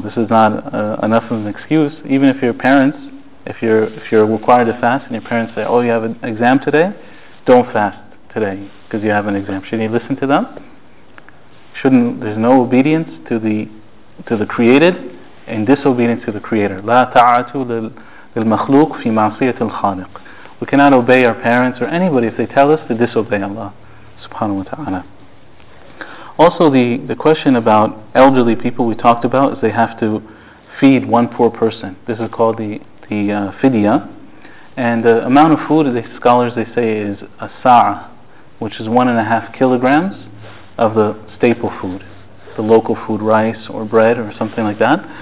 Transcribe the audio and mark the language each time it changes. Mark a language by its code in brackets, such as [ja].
[en] This is not enough of an excuse. Even if your parents, if you're required to fast, and your parents say, "Oh, you have an exam today, don't fast today because you have an exam," should you listen to them? There's no obedience to the created, and disobedience to the Creator. [ar] لا تعاتوا للمخلوق في معصية الخالق. [en] We cannot obey our parents or anybody if they tell us to disobey Allah, subhanahu wa ta'ala. Also, the question about elderly people we talked about is they have to feed one poor person. This is called the fidya. And the amount of food, the scholars, they say, is a sa'ah, which is 1.5 kilograms of the staple food, the local food, rice or bread or something like that.